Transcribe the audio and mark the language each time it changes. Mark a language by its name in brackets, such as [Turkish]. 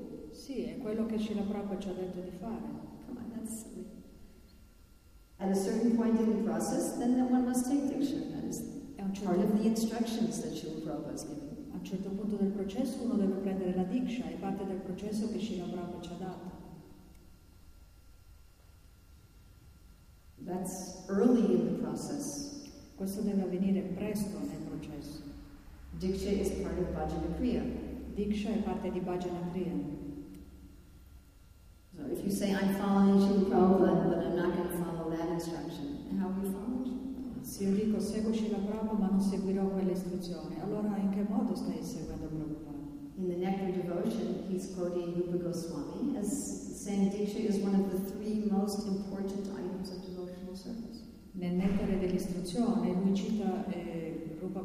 [Italian] Sì, è quello che Srila Prabhupada ci ha detto di fare. [English] Come on, that's silly. At a certain point in the process, then one must take diction. That is part of the instructions that Srila Prabhupada is giving. [Italian] A un certo punto del processo uno deve prendere la diksha, è parte del processo che Srila Prabhupada ci ha dato. [English] That's early in the process. [Italian] Questo deve avvenire presto nel processo. [English] Diksha is part of Bhajana Kriya. [Italian] Diksha è parte di Bhajana Kriya. [English] So if you say I'm following Srila Prabhupada, but I'm not going to follow that instruction, how will you follow? [Italian] Se io dico seguo Srila Prabhupada ma non seguirò quell'istruzione, allora in che modo stai seguendo Prabhupada? [English] In the Nectar Devotion, he's quoting Rupa Goswami as saying Diksha is one of the three most important items of devotional service. [Italian] Nel Nectar dell'istruzione, lui cita Rupa